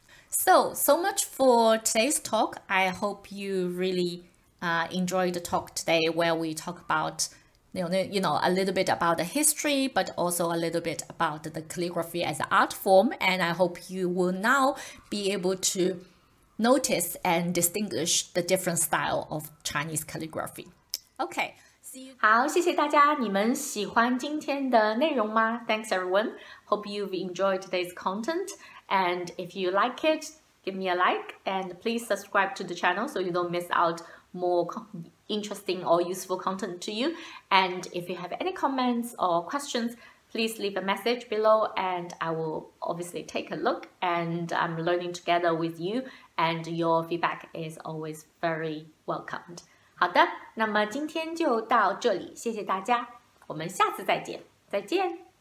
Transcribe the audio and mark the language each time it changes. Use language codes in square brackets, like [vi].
[en] So much for today's talk. I hope you really enjoyed the talk today where we talk about you know, a little bit about the history, but also a little bit about the calligraphy as an art form. And I hope you will now be able to notice and distinguish the different style of Chinese calligraphy. Okay, see you. [zh] 好，谢谢大家。你们喜欢今天的内容吗？ [en] Thanks, everyone. Hope you've enjoyed today's content. And if you like it, give me a like and please subscribe to the channel so you don't miss out more interesting or useful content to you. And if you have any comments or questions, please leave a message below and I will obviously take a look, and I'm learning together with you, and your feedback is always very welcomed. [zh] 好的，那么今天就到这里，谢谢大家，我们下次再见，再见。